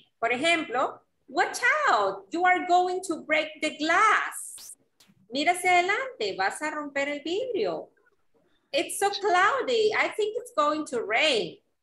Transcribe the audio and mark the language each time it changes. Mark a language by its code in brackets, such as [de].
[es] Por ejemplo, [en] watch out, you are going to break the glass. [es] Mira hacia adelante, vas a romper el vidrio. [en] It's so cloudy, I think it's going to rain.